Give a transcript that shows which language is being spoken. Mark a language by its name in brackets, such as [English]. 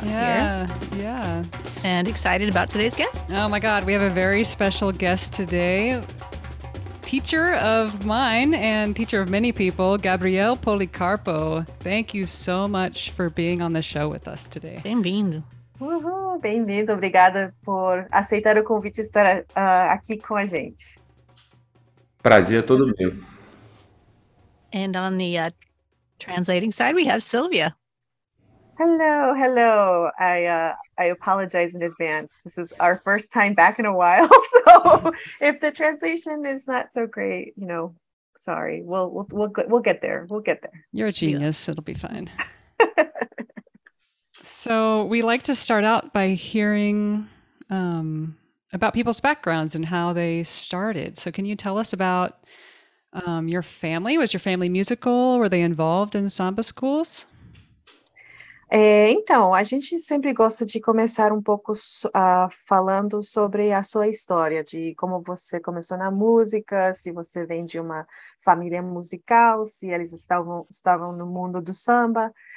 [English] Yeah. And excited about today's guest. Oh my God, we have a very special guest today. Teacher of mine and teacher of many people, Gabriel Policarpo. Thank you so much for being on the show with us today. [Portuguese] Bem-vindo. Bem-vindo. Obrigada por aceitar o convite e estar aqui com a gente. Prazer todo meu. [English] And on the translating side, we have Sylvia. Hello. I apologize in advance. This is our first time back in a while, so if the translation is not so great, you know, sorry. We'll get there. We'll get there. You're a genius. Yeah. It'll be fine. So we like to start out by hearing about people's backgrounds and how they started. So can you tell us about your family? Was your family musical? Were they involved in samba schools? [Portuguese] Então, a gente sempre gosta de começar um pouco falando sobre a sua história, de como você começou na música, se você vem de uma família musical, se eles estavam no mundo do samba.